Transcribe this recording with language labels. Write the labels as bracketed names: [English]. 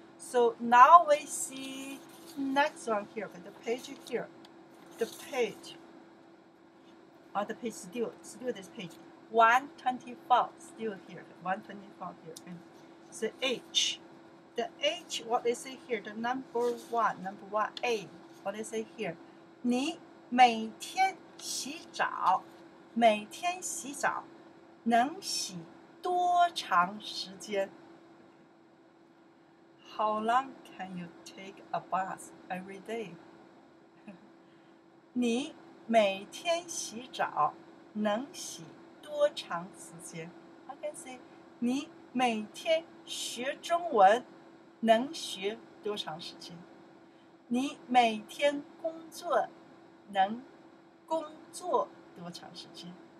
[English] So now we see next one here, okay? The page here. The page. Oh, the page still this page. 124, still here, 124 here, okay? So H. The H, what they say here, the number one, A, what they say here. [Chinese] 你每天洗澡，每天洗澡，能洗多长时间？ [English] How long can you take a bath every day? [Chinese] 你每天洗澡能洗多长时间？ [English] I can say, [Chinese] 你每天学中文能学多长时间？你每天工作能工作多长时间？